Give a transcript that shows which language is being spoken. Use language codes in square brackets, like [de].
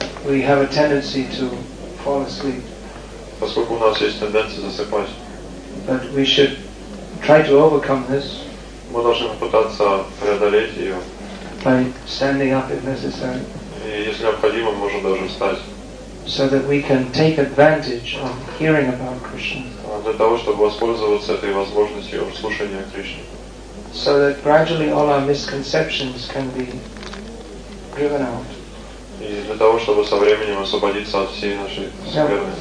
[en] We have a tendency to fall asleep. [ru] Поскольку у нас есть тенденция засыпать. [en] But we should try to overcome this. [ru] Мы должны попытаться преодолеть ее. [en] By standing up if necessary. [ru] И если необходимо, можно даже встать. [en] So that we can take advantage of hearing about Krishna. [ru] Для того, чтобы воспользоваться этой возможностью слушания Кришны. [en] So that gradually all our misconceptions can be driven out. [ru] И для того, чтобы со временем освободиться от всей нашей скверны.